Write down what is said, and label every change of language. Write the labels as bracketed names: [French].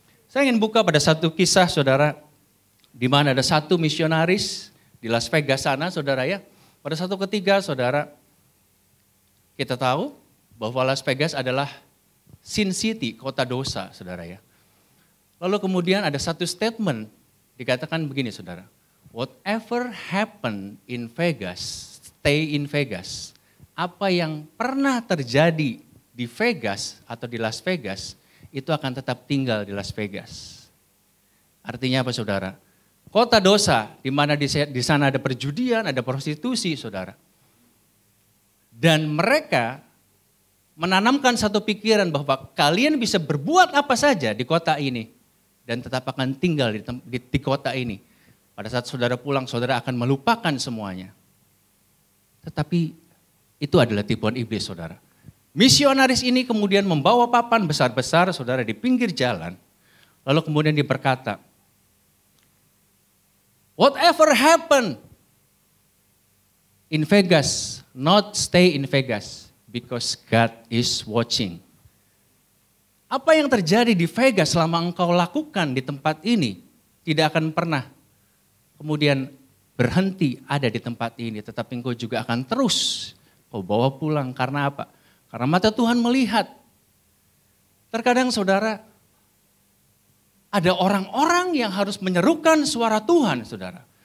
[Indonesian] Saya ingin buka pada satu kisah, Saudara, di mana ada satu misionaris di Las Vegas sana, Saudara, ya. Pada satu ketiga, Saudara, kita tahu bahwa Las Vegas adalah Sin City, kota dosa, Saudara, ya. Lalu kemudian ada satu statement dikatakan begini, Saudara. [English] Whatever happened in Vegas, stay in Vegas. [Indonesian] Apa yang pernah terjadi di Vegas atau di Las Vegas, itu akan tetap tinggal di Las Vegas. Artinya apa, Saudara? Kota dosa, di mana di sana ada perjudian, ada prostitusi, Saudara. Dan mereka menanamkan satu pikiran bahwa kalian bisa berbuat apa saja di kota ini dan tetap akan tinggal di kota ini. Pada saat Saudara pulang, Saudara akan melupakan semuanya. Tetapi itu adalah tipuan iblis, Saudara. Misionaris ini kemudian membawa papan besar-besar, Saudara, di pinggir jalan. [English] Lalu kemudian dia berkata, whatever happened in Vegas, not stay in Vegas, because God is watching. [Indonesian] Apa yang terjadi di Vegas selama engkau lakukan di tempat ini, tidak akan pernah kemudian berhenti ada di tempat ini, tetapi engkau juga akan terus kau bawa pulang. Karena apa? Karena mata Tuhan melihat. Terkadang, Saudara, ada orang-orang yang harus menyerukan suara Tuhan, Saudara.